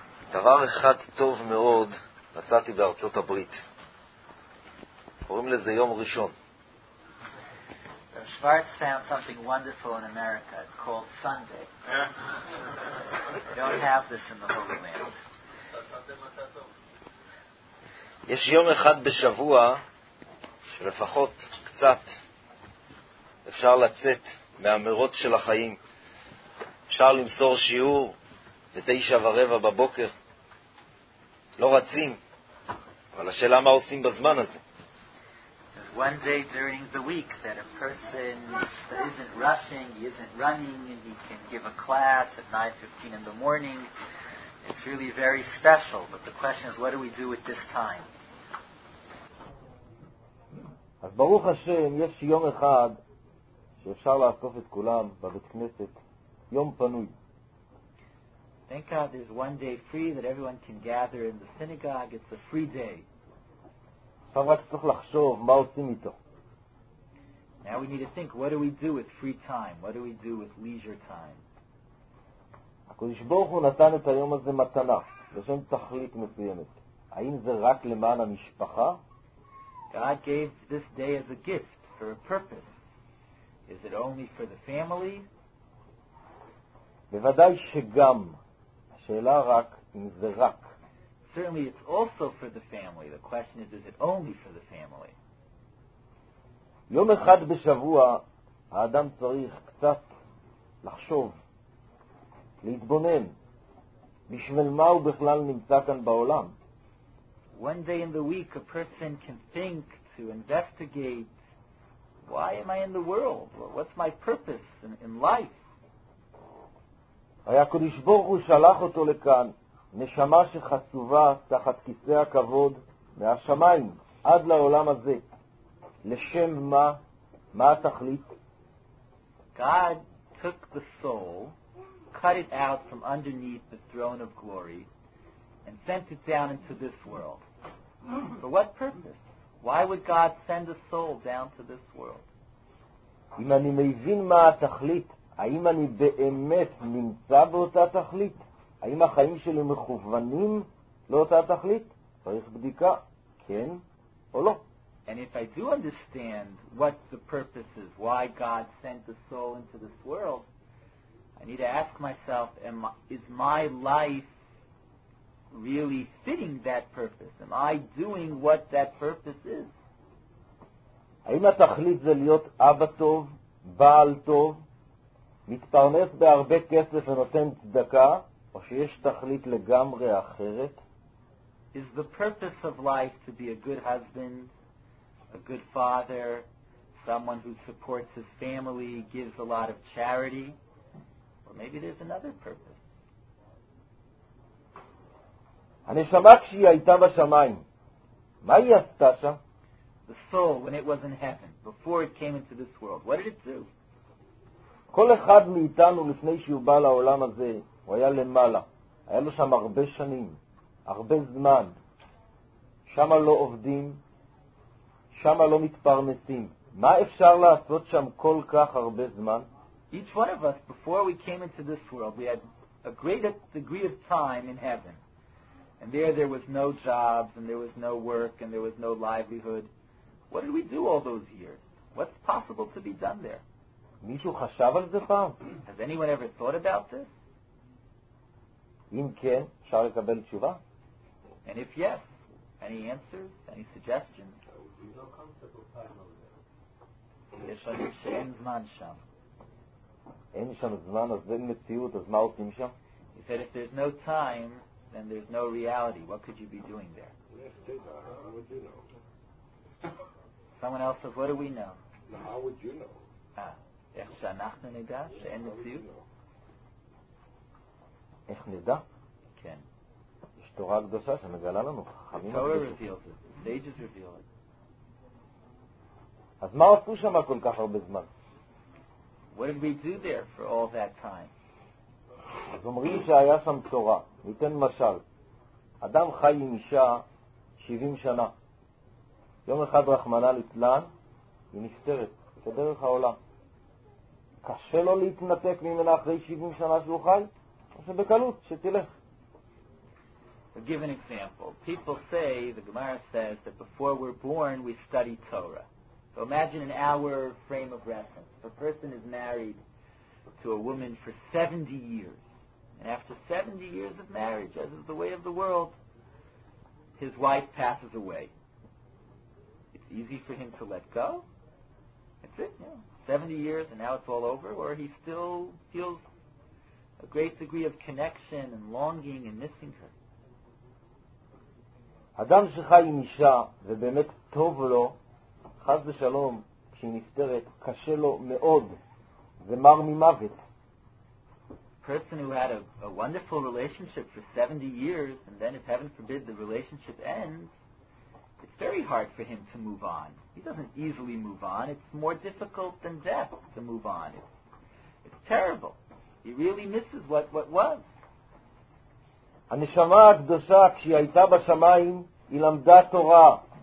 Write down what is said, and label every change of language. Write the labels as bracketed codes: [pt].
[he] דבר אחד טוב מאוד מצאתי בארצות הברית. קוראים לזה יום ראשון. [en] Schwartz found something wonderful in America. It's called Sunday. Don't have this in the Holy Land. [he] יש יום אחד בשבוע שלפחות קצת אפשר לצאת מהמרות של החיים. אפשר למסור שיעור בתשע ורבע בבוקר. לא רצים, אבל השאלה מה עושים בזמן הזה. [en] There's one day during the week that a person that isn't rushing, he isn't running, and he can give a class at 9:15 in the morning. It's really very special, but the question is, what do we do with this time? [he] אז ברוך השם, יש יום אחד שאפשר לאסוף את כולם בבית כנסת, יום פנוי. [en] Thank God there's one day free that everyone can gather in the synagogue. It's a free day. [he] עכשיו רק צריך לחשוב מה עושים איתו. [en] Now we need to think, what do we do with free time? What do we do with leisure time? [he] הקדוש ברוך הוא נתן את היום הזה מתנה, לשם תכלית מסוימת. האם זה רק למען המשפחה? [en] God gave this day as a gift for a purpose. Is it only for the family? [he] בוודאי שגם. השאלה רק אם זה רק. [en] Certainly it's also for the family. The question is it only for the family? [he] יום אחד בשבוע האדם צריך קצת לחשוב, להתבונן, בשביל מה הוא בכלל נמצא כאן בעולם. [en] One day in the week a person can think to investigate, why am I in the world? What's my purpose in life? [he] הרי הקדוש ברוך הוא שלח אותו לכאן, נשמה שחצובה תחת כיסא הכבוד מהשמיים עד לעולם הזה. לשם מה? מה התכלית? [en] God took the soul, cut it out from underneath the throne of glory, and sent it down into this world. For what purpose? Why would God send a soul down to this world? [he] אם אני מבין מה התכלית, האם אני באמת נמצא באותה תכלית? האם החיים שלי מכוונים לאותה תכלית? צריך בדיקה, כן או לא. [en] And if I do understand what the purpose is, why God sent a soul into this world, I need to ask myself, is my life really fitting that purpose? Am I doing what that purpose is? [he] האם התכלית זה להיות אבא טוב, בעל טוב, מתפרנס בהרבה כסף ונותן צדקה, או שיש תכלית לגמרי אחרת? [en] Is the purpose of life to be a good husband, a good father, someone who supports his family, gives a lot of charity? Or maybe there's another purpose. [he] הנשמה כשהיא הייתה בשמיים, מה היא עשתה שם? [en] The soul, when it was in heaven, before it came into this world, what did it do? [he] כל אחד מאיתנו לפני שהוא בא לעולם הזה, הוא היה למעלה. היה לו שם הרבה שנים, הרבה זמן. שם לא עובדים, שם לא מתפרנסים. מה אפשר לעשות שם כל כך הרבה זמן? [en] Each one of us, before we came into this world, we had a great degree of time in heaven. And there was no jobs, and there was no work, and there was no livelihood. What did we do all those years? What's possible to be done there? [he] מישהו חשב על זה פעם? [en] Has anyone ever thought about this? [he] אם כן, אפשר לקבל תשובה? [en] And if yes, any answers, any suggestions? No comfortable time over there. [he] אין זמן שם. אין שם זמן, אז אין מציאות, אז מה עושים שם? [en] He said, if there's no time, then there's no reality. What could you be doing there? How would you know? Someone else said, what do we know? Now, how would you know? [he] איך שאנחנו נדע שאין מציאות? איך נדע? כן. יש תורה קדושה שמגלה לנו. [en] The Torah reveals it. The sages reveal it. [he] אז מה עשו שם כל כך הרבה זמן? [en] What did we do there for all that time? [he] אז אומרים שהיה שם תורה. ניתן משל. אדם חי עם אישה 70 שנה. יום אחד רחמנה לצלן, היא נפטרת בדרך העולם. קשה לו להתנתק ממנה אחרי 70 שנה שהוא חי, אז זה בקלות, שתלך. [en] I'll give an example. People say, the Gemara says, that before we're born, we study Torah. So imagine an hour frame of reference. If a person is married to a woman for 70 years, and after 70 years of marriage, as is the way of the world, his wife passes away. It's easy for him to let go. That's it, you know. 70 years and now it's all over, or he still feels a great degree of connection and longing and missing her. [he] אדם שחי עם אישה ובאמת טוב לו, חס ושלום, כשהיא נפטרת, קשה לו מאוד, ומר ממוות. [en] Person who had a wonderful relationship for 70 years, and then, if heaven forbid, the relationship ends, it's very hard for him to move on. He doesn't easily move on. It's more difficult than death to move on. It's terrible. He really misses what was. [he] הנשמה הקדושה, כשהיא הייתה בשמיים, היא למדה תורה.